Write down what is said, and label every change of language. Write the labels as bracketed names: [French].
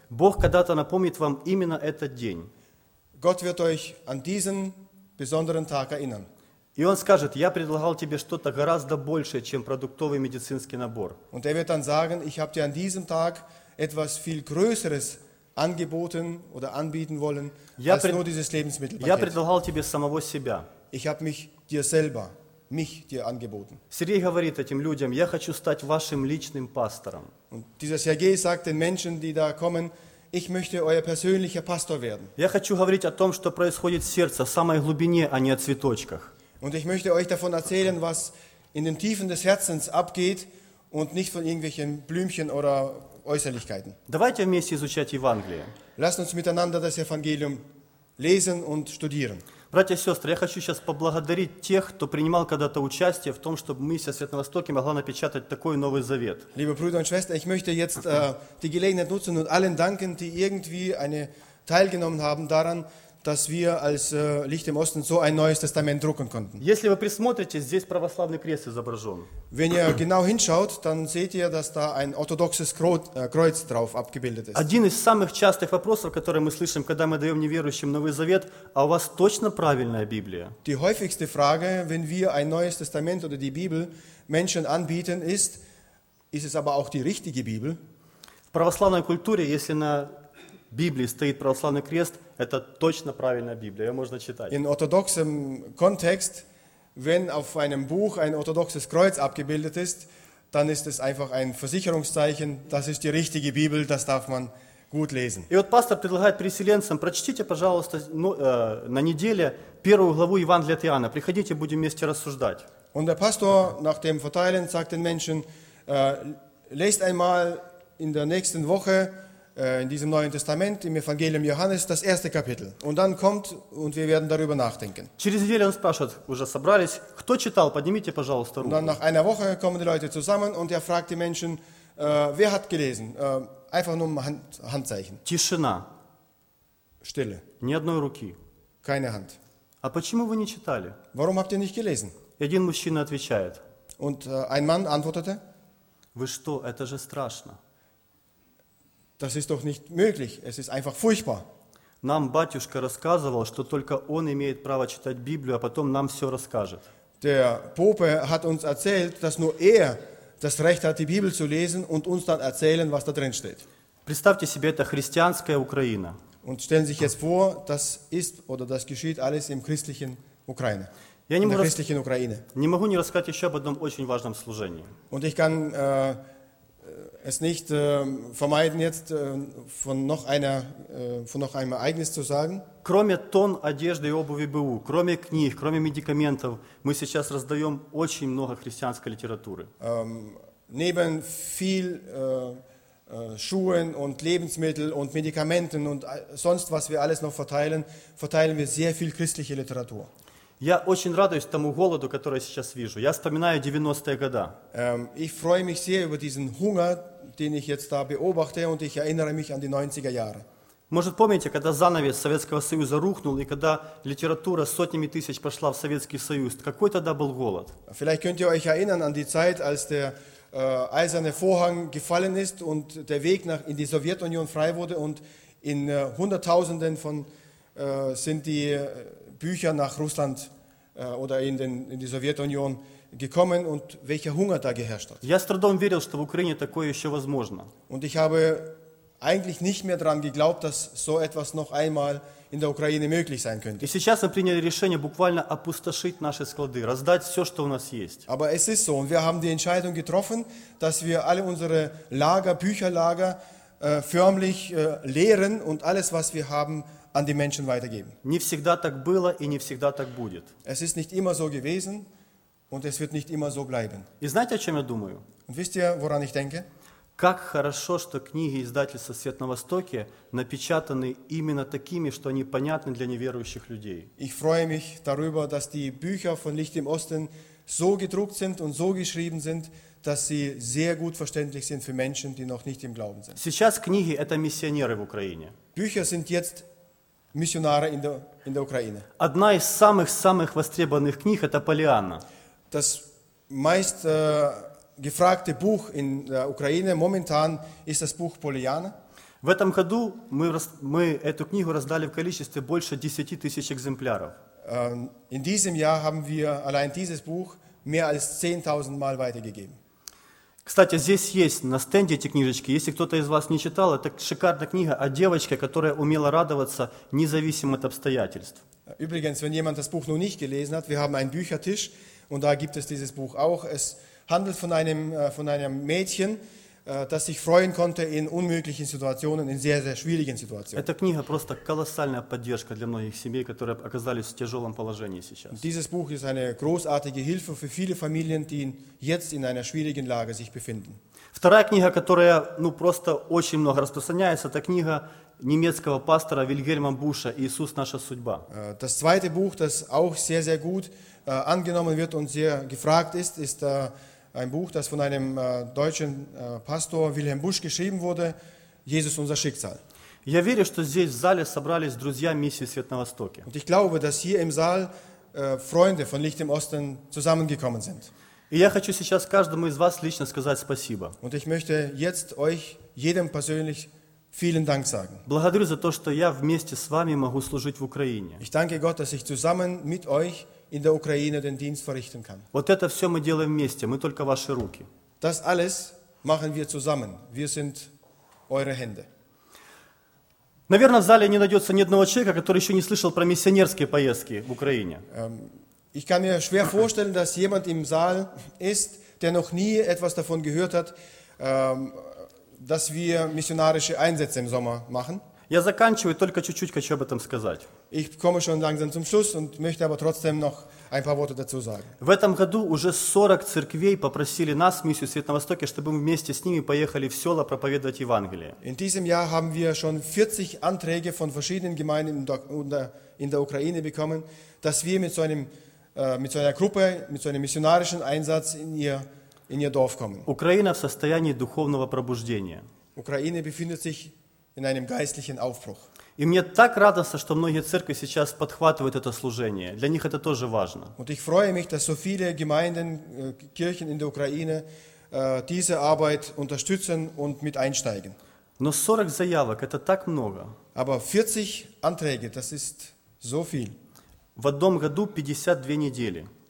[Russian] Бог когда-то напомнит вам именно этот день. [German] Gott wird euch an diesen besonderen Tag erinnern. [Russian] И он скажет: я предлагал тебе что-то гораздо большее, чем продуктовый медицинский набор. [German] Und er wird dann sagen: ich habe dir an diesem Tag etwas viel Größeres angeboten oder anbieten wollen als nur dieses Lebensmittelpaket. [Russian] Я предлагал тебе самого себя. [German] Ich habe mich dir angeboten. [Russian] Сергей говорит этим людям: я хочу стать вашим личным пастором. [German] Und dieser Sergej sagt den Menschen, die da kommen: ich möchte euer persönlicher Pastor werden. [Russian] Я хочу говорить о том, что происходит в сердце, в самой глубине, а не о цветочках. [German] Und ich möchte euch davon erzählen, was in den Tiefen des Herzens abgeht und nicht von irgendwelchen Blümchen oder Äußerlichkeiten. [Russian] Давайте вместе изучать Евангелие. [German] Lasst uns miteinander das Evangelium lesen und studieren. [Russian] Братья и сестры, я хочу сейчас поблагодарить тех, кто принимал когда-то участие в том, чтобы миссия Свет на Востоке могла напечатать такой Новый Завет. [German] Liebe Brüder und Schwestern, ich möchte jetzt die Gelegenheit nutzen und allen danken, die irgendwie eine teilgenommen haben daran, dass wir als Licht im Osten so ein neues Testament drucken konnten. [Russian] Если вы присмотритесь, здесь православный крест изображен. [German] Wenn ihr genau hinschaut, dann seht ihr, dass da ein orthodoxes Kreuz drauf abgebildet ist. [Russian] Один из самых частых вопросов, которые мы слышим, когда мы даем неверующим Новый Завет: а у вас точно правильная Библия? [German] Die häufigste Frage, wenn wir ein neues Testament oder die Bibel Menschen anbieten, ist es aber auch die richtige Bibel? [Russian] В православной культуре, если на Библии стоит православный крест, это точно правильная Библия, ее можно читать. [German] In orthodoxem Kontext, wenn auf einem Buch ein orthodoxes Kreuz abgebildet ist, dann ist es einfach ein Versicherungszeichen, das ist die richtige Bibel, das darf man gut lesen. [Russian] И вот пастор предлагает переселенцам: прочтите, пожалуйста, на неделе первую главу Евангелия от Иоанна. Приходите, будем вместе рассуждать. [German] Und der Pastor nach dem Verteilen sagt den Menschen: lest einmal in der nächsten Woche in diesem Neuen Testament, im Evangelium Johannes, das erste Kapitel. Und dann kommt, und wir werden darüber nachdenken. Und dann nach einer Woche kommen die Leute zusammen und er fragt die Menschen, wer hat gelesen? Einfach nur Handzeichen. [Russian] Тишина. [German] Stille. [Russian] Ни одной руки. [German] Keine Hand. [Russian] А почему вы не читали? [German] Warum habt ihr nicht gelesen? [Russian] Один мужчина отвечает. [German] Und ein Mann antwortete. [Russian] Вы что, это же страшно. [German] Das ist doch nicht möglich. Es ist einfach furchtbar. [Russian] Нам батюшка рассказывал, что только он имеет право читать Библию, а потом нам все расскажет. [German] Der Pope hat uns erzählt, dass nur er das Recht hat, die Bibel zu lesen und uns dann erzählen, was da drin steht. [Russian] Представьте себе, это христианская Украина. [German] Und stellen Sie sich jetzt vor, das ist oder das geschieht alles im christlichen Ukraine. [Russian] Я не могу не рассказать еще об одном очень важном служении. [German] Und ich kann es nicht vermeiden jetzt von noch einem Ereignis zu sagen. [Russian] Кроме тон одежды и обуви БУ, кроме книг, кроме медикаментов, мы сейчас раздаем очень много христианской литературы. [German] Neben viel Schuhen und Lebensmittel und Medikamenten und sonst was wir alles noch verteilen, verteilen wir sehr viel christliche Literatur. [Russian] Я очень радуюсь тому голоду, который я сейчас вижу. Я вспоминаю 90-е годы. [German] Ich freue mich sehr über diesen Hunger, den ich jetzt da beobachte, und ich erinnere mich an die 90er Jahre. [Russian] Может, помните, когда занавес Советского Союза рухнул, и когда литература сотнями тысяч пошла в Советский Союз? Какой тогда был голод? [German] Vielleicht könnt ihr euch erinnern an die Zeit, als der eiserne Vorhang gefallen ist und der Weg nach in die Sowjetunion frei wurde und in Hunderttausenden von sind die Bücher nach Russland oder in die Sowjetunion gekommen und welcher Hunger da geherrscht hat. [Russian] Я с трудом верил, что в Украине такое ещё возможно. [German] Und ich habe eigentlich nicht mehr daran geglaubt, dass so etwas noch einmal in der Ukraine möglich sein könnte. [Russian] И сейчас мы приняли решение буквально опустошить наши склады, раздать всё, что у нас есть. [German] Aber es ist so und wir haben die Entscheidung getroffen, dass wir alle unsere Lager, Bücherlager förmlich leeren und alles, was wir haben, an die Menschen weitergeben. [Russian] Не всегда так было и не всегда так будет. [German] Es ist nicht immer so gewesen und es wird nicht immer so bleiben. [Russian] И знаете, о чём я думаю? [German] Und wisst ihr, woran ich denke? [Russian] Как хорошо, что книги издательства «Свет на Востоке» напечатаны именно такими, что они понятны для неверующих людей. [German] Ich freue mich darüber, dass die Bücher von Licht im Osten so gedruckt sind und so geschrieben sind, dass sie sehr gut verständlich sind für Menschen, die noch nicht im Glauben sind. [Russian] Сейчас книги – это миссионеры в Украине. [German] Bücher sind jetzt Missionare in der Ukraine. [Russian] Одна из самых-самых востребованных книг – это «Поллианна». [German] Das meist gefragte Buch in der Ukraine momentan ist das Buch Pollyanna. [Russian] В этом году мы эту книгу раздали в количестве больше 10.000 экземпляров. [German] In diesem Jahr haben wir allein dieses Buch mehr als 10.000 Mal weitergegeben. [Russian] Кстати, здесь есть на стенде эти книжечки. Если кто-то из вас не читал, это шикарная книга о девочке, которая умела радоваться независимо от обстоятельств. [German] Übrigens, wenn jemand das Buch noch nicht gelesen hat, wir haben einen Büchertisch und da gibt es dieses Buch auch. Es handelt von einem Mädchen, das sich freuen konnte in unmöglichen Situationen, in sehr, sehr schwierigen Situationen. [Russian] Эта книга просто колоссальная поддержка для многих семей, которые оказались в тяжелом положении сейчас. [German] Dieses Buch ist eine großartige Hilfe für viele Familien, die jetzt in einer schwierigen Lage sich befinden. [Russian] Вторая книга, которая ну просто очень много распространяется, это книга немецкого пастора Вильгельма Буша «Иисус, наша судьба». [German] Das zweite Buch, das auch sehr, sehr gut angenommen wird und sehr gefragt ist, ist ein Buch, das von einem deutschen Pastor Wilhelm Busch geschrieben wurde, Jesus, unser Schicksal. [Russian] Я верю, что здесь в зале собрались друзья миссии «Свет на Востоке». [German] Und ich glaube, dass hier im Saal Freunde von Licht im Osten zusammengekommen sind. [Russian] И я хочу сейчас каждому из вас лично сказать спасибо. [German] Und ich möchte jetzt euch jedem persönlich vielen Dank sagen. [Russian] Благодарю за то, что я вместе с вами могу служить в Украине. [German] Ich danke Gott, dass ich zusammen mit euch in der Ukraine den Dienst verrichten kann. [Russian] Вот это все мы делаем вместе, мы только ваши руки. [German] Das alles machen wir zusammen. Wir sind eure Hände. [Russian] Наверное, в зале не найдется ни одного человека, который еще не слышал про миссионерские поездки в Украине. [German] Ich kann mir schwer vorstellen, dass jemand im Saal ist, der noch nie etwas davon gehört hat, dass wir missionarische Einsätze im Sommer machen. [Russian] Я заканчиваю, только чуть-чуть хочу об этом сказать. [German] Ich komme schon langsam zum Schluss und möchte aber trotzdem noch ein paar Worte dazu sagen. [Russian] В этом году уже 40 церквей попросили нас, миссию «Свет на Востоке», чтобы мы вместе с ними поехали в села проповедовать Евангелие. [German] In diesem Jahr haben wir schon 40 Anträge von verschiedenen Gemeinden in der Ukraine bekommen, dass wir mit so einer Gruppe, mit so einem missionarischen Einsatz in ihr Dorf kommen. [Russian] Украина в состоянии духовного пробуждения. [German] Украина befindet sich in einem geistlichen Aufbruch. [Russian] И мне так радостно, что многие церкви сейчас подхватывают это служение. Для них это тоже важно. [German] Und ich freue mich, dass so viele Gemeinden, Kirchen in der Ukraine diese Arbeit unterstützen und mit einsteigen. [Russian] Но 40 заявок – это так много. [German] Aber 40 Anträge – das ist so viel. [Russian] В одном году 52 недели.